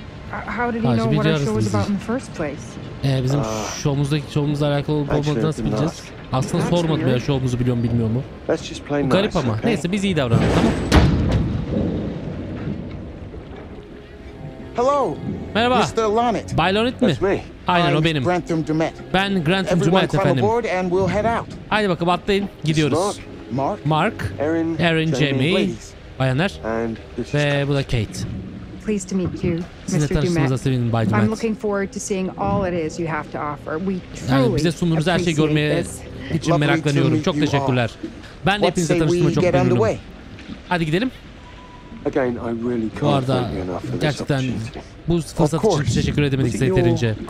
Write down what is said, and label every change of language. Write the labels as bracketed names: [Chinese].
[English] How did he know what our show was about in the first place? [Turkish] Bizim şovumuzla alakalı olup olmadığını nasıl bileceğiz? Aslında sormadım ya, şovumuzu biliyor mu bilmiyor mu? Bu garip ama. Okay. Neyse biz iyi davranalım, tamam. [English] Hello. [Turkish] Merhaba. [English] Mr. Lonnet. [Turkish] Bay Lonnet mi? Aynen o benim. Ben Grantham Dumet efendim. Haydi bakalım atlayın, gidiyoruz. Mark, Aaron, Jamie, bayanlar. Ve bu da Kate. [English] Pleased to meet you, [Turkish] sizinle [English] Mr. Dumet. [Turkish] Sevindim, Bay Dumet. [English] I'm looking forward to seeing all it is you have to offer. We truly [Turkish] yani bize sunduğunuz her şeyi görmeye için meraklanıyorum. Çok teşekkürler. Ben de hepinizle tanıştığıma çok memnunum. Hadi gidelim. [English] Again, I really can't thank you enough for this opportunity. [Turkish] Gerçekten bu fırsat için teşekkür edemedik size yeterince.